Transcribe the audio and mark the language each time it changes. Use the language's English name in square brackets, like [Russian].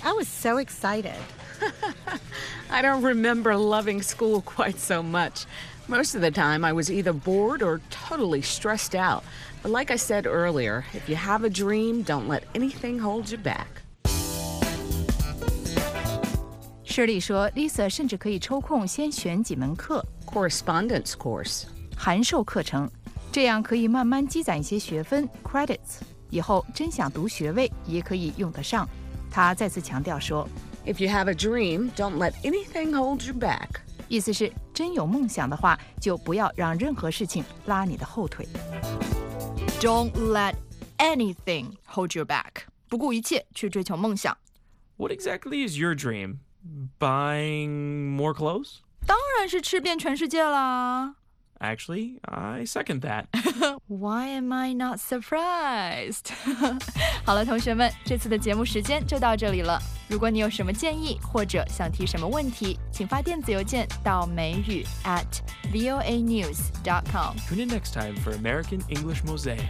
[English] I was so excited. I don't remember loving school quite so much. Most of the time, I was either bored or totally stressed out. But like I said earlier, if you have a dream, don't let anything hold you back. [Chinese] Shirley 说 ，Lisa 甚至可以抽空先选几门课 [English] ，correspondence course， [Chinese] 函授课程，这样可以慢慢积攒一些学分 credits， 以后真想读学位也可以用得上。他再次强调说 [English] ，If you have a dream, don't let anything hold you back。 [Chinese] 意思是，真有梦想的话，就不要让任何事情拉你的后腿。 [English] Don't let anything hold you back， [Chinese] 不顾一切去追求梦想。 [English] What exactly is your dream? Buying more clothes? [Chinese] 当然是吃遍全世界啦。 [English] Actually, I second that. Why am I not surprised? [Chinese] 好了，同学们，这次的节目时间就到这里了。如果你有什么建议或者想提什么问题，请发电子邮件到美语 @voanews.com. [English] Tune in next time for American English Mosaic.